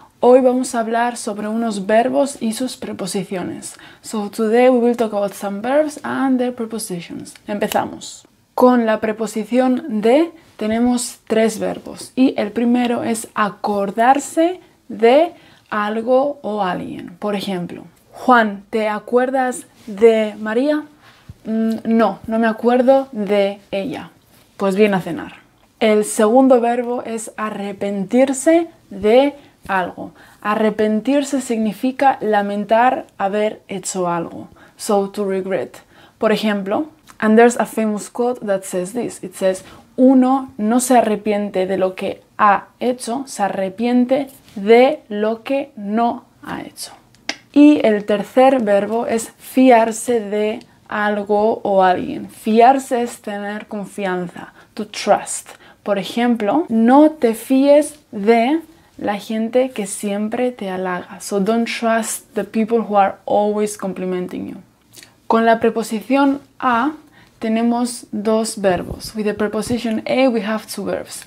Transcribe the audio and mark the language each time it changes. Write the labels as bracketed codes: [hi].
[es] Hoy vamos a hablar sobre unos verbos y sus preposiciones. [en] So today we will talk about some verbs and their prepositions. [es] Empezamos. Con la preposición de tenemos tres verbos y el primero es acordarse de algo o alguien. Por ejemplo, Juan, ¿te acuerdas de María? No, no me acuerdo de ella. Pues viene a cenar. El segundo verbo es arrepentirse de algo. Arrepentirse significa lamentar haber hecho algo. [en] So to regret. [es] Por ejemplo, [en] and there's a famous quote that says this. It says, [es] uno no se arrepiente de lo que ha hecho, se arrepiente de lo que no ha hecho. Y el tercer verbo es fiarse de algo o alguien. Fiarse es tener confianza, [en] to trust. [es] Por ejemplo, no te fíes de la gente que siempre te halaga. [en] So don't trust the people who are always complimenting you. [es] Con la preposición a tenemos dos verbos. [en] With the preposition a we have two verbs.